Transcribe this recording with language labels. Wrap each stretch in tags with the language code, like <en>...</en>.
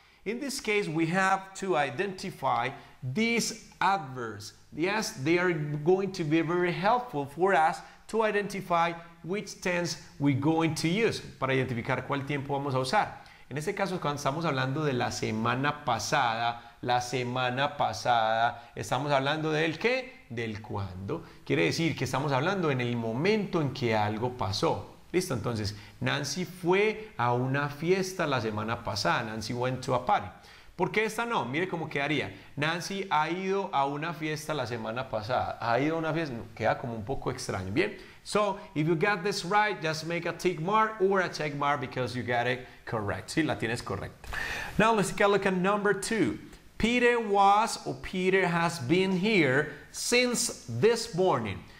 <en>In this case, we have to identify these adverbs. Yes, they are going to be very helpful for us to identify which tense we're going to use.</en> <es>Para identificar cuál tiempo vamos a usar. En este caso, cuando estamos hablando de la semana pasada, estamos hablando del qué, del cuándo. Quiere decir que estamos hablando en el momento en que algo pasó. Listo, entonces, Nancy fue a una fiesta la semana pasada.</es> <en>Nancy went to a party.</en> <es>¿Por qué esta no? Mire cómo quedaría. Nancy ha ido a una fiesta la semana pasada. ¿Ha ido a una fiesta? No, queda como un poco extraño. Bien.</es> <en>So, if you got this right, just make a tick mark or a check mark because you got it correct.</en> <es>Sí, la tienes correcta.</es> <en>Now, let's take a look at number 2. Peter was or Peter has been here since this morning.</en>